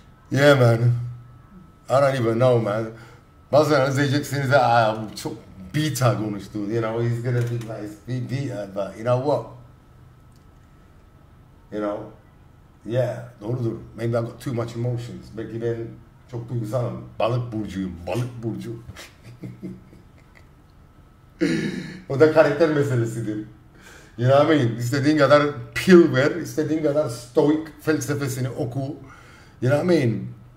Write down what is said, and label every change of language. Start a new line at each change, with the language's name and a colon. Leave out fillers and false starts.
English: Yeah man, I don't even know man.
Turkish: Bazen izleyeceksiniz ya, çok beta konuştu.
English: You know, he's gonna be like, be beta, but you know what? You know, yeah,
Turkish: doğrudur.
English: Maybe I got too much emotions.
Turkish: Belki ben çok duygusalım. Balık burcuyum, balık burcu. O da karakter meselesidir.
English: You know what I mean?
Turkish: İstediğin kadar pill ver, istediğin kadar stoic felsefesini oku. You know what I mean?